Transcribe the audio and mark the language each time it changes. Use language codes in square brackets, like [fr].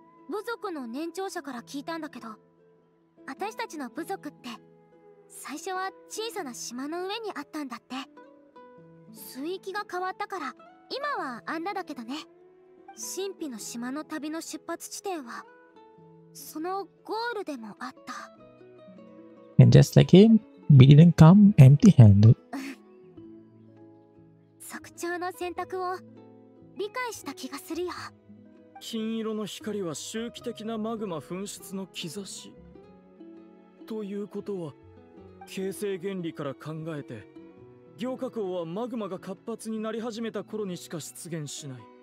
[ja] 部族の年長者から聞いたんだけど、私たちの部族って最初は小さな島の上にあったんだって。水域が変わったから今はあんなだけどね。神秘の島の旅の出発地点はそのゴールでもあった。 [en] And just like him, we didn't come empty-handed. [ja] 族長の選択を理解した気がするよ。金色の光は周期的なマグマ噴出の兆し。ということは、形成原理から考えて、凝華鉱はマグマが活発になり始めた頃にしか出現しない。